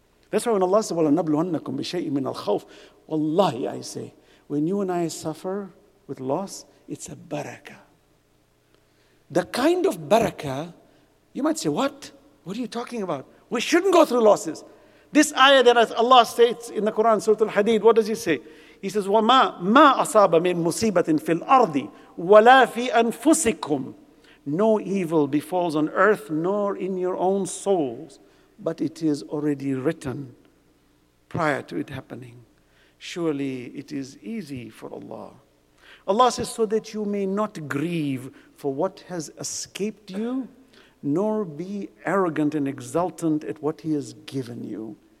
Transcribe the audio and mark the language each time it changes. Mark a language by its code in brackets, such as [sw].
[en] That's why when Allah says, [ar] وَلَنَبْلُوَنَّكُمْ بِشَيْءٍ مِّنَ الْخَوْفِ. [en] Wallahi, I say, when you and I suffer with loss, it's a barakah. The kind of barakah, you might say, what? What are you talking about? We shouldn't go through losses. This ayah that Allah states in the Quran, Surah Al-Hadid, what does he say? He says, [ar] وَمَا مَا أَصَابَ مِنْ مُصِيبَةٍ فِي الْأَرْضِ وَلَا فِي أَنفُسِكُمْ. [en] No evil befalls on earth nor in your own souls, but it is already written prior to it happening. Surely it is easy for Allah. Allah says, so that you may not grieve for what has escaped you, nor be arrogant and exultant at what He has given you.